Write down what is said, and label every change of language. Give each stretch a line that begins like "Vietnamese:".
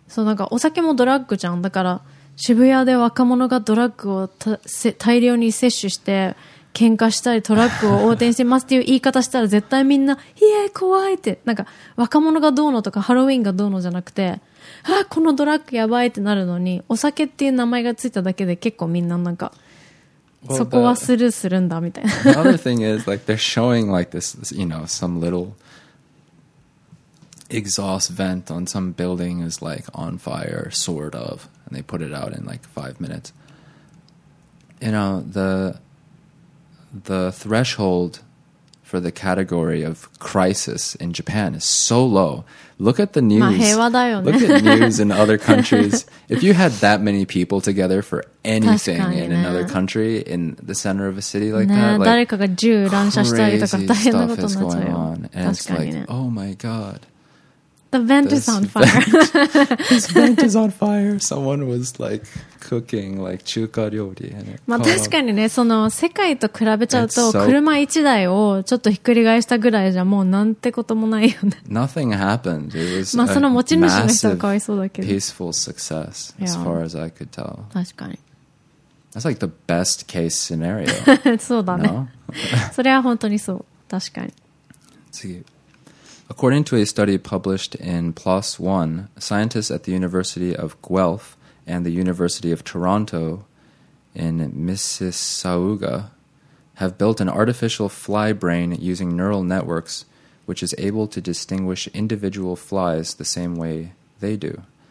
Japanese: そう、なんかお酒もドラッグじゃん。だから渋谷で若者がドラッグを大量に摂取して喧嘩したりトラックを横転してますっていう言い方したら絶対みんな、いえ、怖いって。なんか若者がどうのとかハロウィンがどうのじゃなくて、ああこのドラッグやばいってなるのにお酒っていう名前がついただけで結構みんななんか、well, そこはスルーするんだみたいな。
English: The other thing is like they're showing like this, you know, some little exhaust vent on some building is like on fire, sort of, and they put it out in like 5 minutes. You know, the threshold for the category of crisis in Japan is so low. Look at the news.
Japanese: まあ平和だよね。
English: Look at news in other countries. If you had that many people together for anything、
Japanese: ね、
English: in another country in the center of a city like that,、ね、like
Japanese: 誰かが銃乱射したりとか大変なことになっちゃうよ。
English: And it's like,、ね、oh my god. The vent is on fire. This vent is on fire. Someone was like cooking like 中華料理.
Japanese: まあ確かにね、その世界と比べちゃうと、車一台をちょっとひっくり返したぐらいじゃもうなんてこともないよね。
English: Nothing happened. It was
Japanese: まあその持ち主の人はかわいそうだけど。
English: Peaceful success, as far as I could tell.
Japanese: 確かに。
English: That's like the best case scenario.
Japanese: そうだね。それは本当にそう。確かに。次。
English: According to a study published in PLOS ONE, scientists at the University of Guelph and the University of Toronto in Mississauga have built an artificial fly brain using neural networks which is able to distinguish individual flies the same way they do.